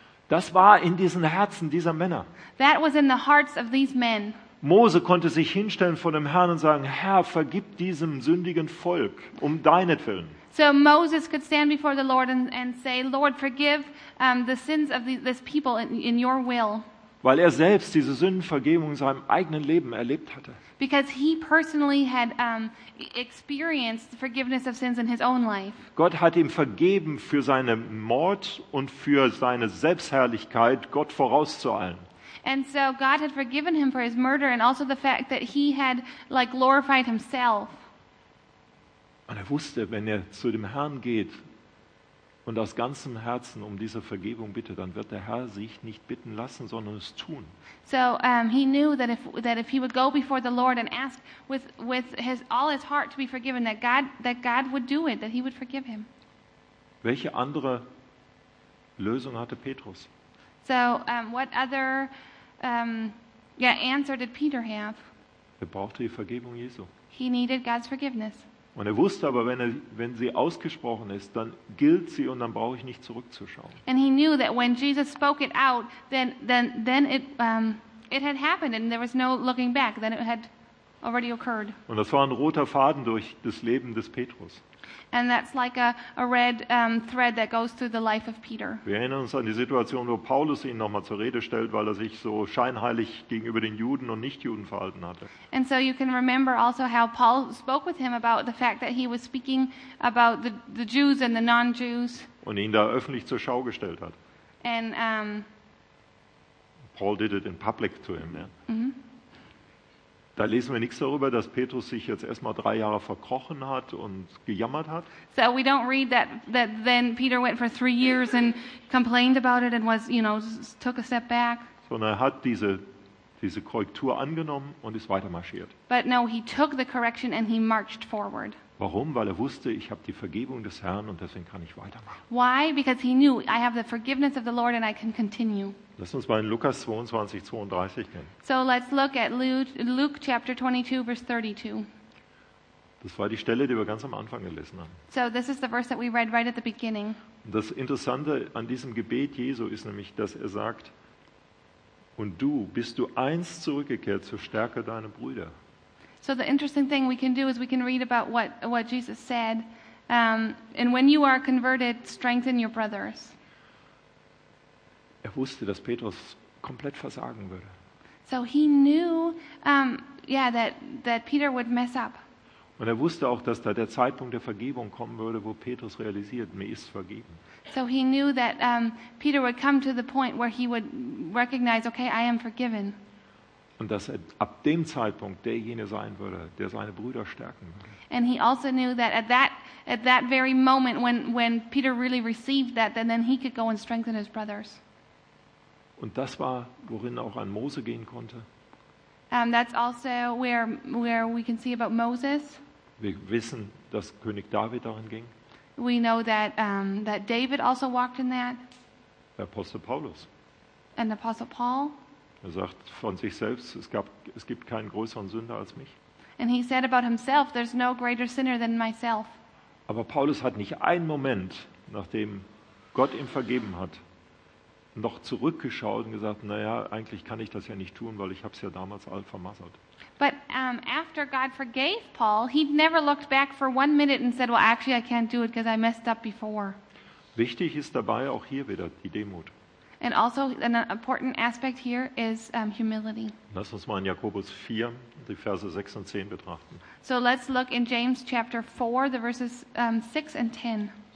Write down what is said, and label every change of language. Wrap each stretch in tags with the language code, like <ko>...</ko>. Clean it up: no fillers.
<de>Das war in diesen Herzen dieser Männer.</de> <en>That was in the hearts of these men.</en> <de>Mose konnte sich hinstellen vor dem Herrn und sagen, Herr, vergib diesem sündigen Volk um deinetwillen.</de> <en>So Moses could stand before the Lord and say, Lord, forgive the sins of this people in your will.</en> <de>Weil er selbst diese Sündenvergebung in seinem eigenen Leben erlebt hatte.</de> <en>Because he personally had experienced the forgiveness of sins in his own life.</en> <de>Gott hat ihm vergeben für seinen Mord und für seine Selbstherrlichkeit, Gott vorauszueilen.</de> <en>And so God had forgiven him for his murder and also the fact that he had like glorified himself.</en> <de>Und er wusste, wenn er zu dem Herrn geht und aus ganzem Herzen um diese Vergebung bitte, dann wird der Herr sich nicht bitten lassen, sondern es tun.</de> <en>So he knew that if he would go before the Lord and ask with his all his heart to be forgiven, that God would do it, that he would forgive him.</en> <de>Welche andere Lösung hatte Petrus?</de> <en>So what other answer did Peter have?</en> <de>Er brauchte die Vergebung Jesu.</de> <en>He needed God's forgiveness.</en> <de>Und er wusste aber, wenn sie ausgesprochen ist, dann gilt sie und dann brauche ich nicht zurückzuschauen.</de> <en>And he knew that when Jesus spoke it out, then it had happened and there was no looking back. Then it had already occurred.</en> <de>Und das war ein roter Faden durch das Leben des Petrus.</de> <en>And that's like a red thread that goes through the life of Peter.</en> <de>Wir erinnern uns an die Situation, wo Paulus ihn nochmal zur Rede stellt, weil er sich so scheinheilig gegenüber den Juden und Nichtjuden verhalten hatte.</de> <en>And so you can remember also how Paul spoke with him about the fact that he was speaking about the Jews and the non-Jews.</en> <de>Und ihn da öffentlich zur Schau gestellt hat.</de> <en>And Paul did it in public to him. Yeah. Mm-hmm.</en> <de>Da lesen wir nichts darüber, dass Petrus sich jetzt erstmal 3 Jahre verkrochen hat und gejammert hat.</de> <en>So we don't read that then Peter went for 3 years and complained about it and was, you know, took a step back.</en> <de>Sondern er hat diese Korrektur angenommen und ist weitermarschiert.</de> <en>But no, he took the correction and he marched forward.</en> <de>Warum? Weil er wusste, ich habe die Vergebung des Herrn und deswegen kann ich weitermachen.</de> <en>Why? Because he knew I have the forgiveness of the Lord and I can continue.</en> <de>Lass uns mal in Lukas 22, 32 gehen.</de> <en>So let's look at Luke chapter 22, verse 32.</en> <de>Das war die Stelle, die wir ganz am Anfang gelesen haben.</de> <en>So this is the verse that we read right at the beginning.</en> <de>Das Interessante an diesem Gebet Jesu ist nämlich, dass er sagt, und du, bist du einst zurückgekehrt zur Stärke deiner Brüder?</de> <en>So the interesting thing we can do is we can read about what Jesus said, and when you are converted, strengthen your brothers.</en> <de>Er wusste, dass Petrus komplett versagen würde.</de> <en>So he knew, that Peter would mess up.</en> <de>Und er wusste auch, dass da der Zeitpunkt der Vergebung kommen würde, wo Petrus realisiert, mir ist vergeben.</de> <en>So he knew that Peter would come to the point where he would recognize, okay, I am forgiven.</en> <de>Und dass er ab dem Zeitpunkt derjenige sein würde, der seine Brüder stärken würde.</de> <en>And he also knew that at that very moment when Peter really received that, then he could go and strengthen his brothers.</en> <de>Und das war, worin auch an Mose gehen konnte.</de> <en>That's also where we can see about Moses.</en> <de>Wir wissen, dass König David darin ging.</de> <en>We know that that David also walked in that.</en> <de>Der Apostel Paulus.</de> <en>And Apostle Paul.</en> <de>Er sagt von sich selbst, es gibt keinen größeren Sünder als mich.</de> <en>And he said about himself, there's no greater sinner than myself.</en> <de>Aber Paulus hat nicht einen Moment, nachdem Gott ihm vergeben hat, noch zurückgeschaut und gesagt, naja, eigentlich kann ich das ja nicht tun, weil ich habe es ja damals all vermasselt.</de> <en>But after God forgave Paul, he never looked back for one minute and said, well, actually I can't do it because I messed up before.</en> <de>Wichtig ist dabei auch hier wieder die Demut.</de> <en>And also an important aspect here is humility.</en> <de>Lass uns mal in Jakobus 4 die Verse 6 und 10 betrachten.</de> <en>So let's look in James chapter 4 the verses 6 and 10.</en>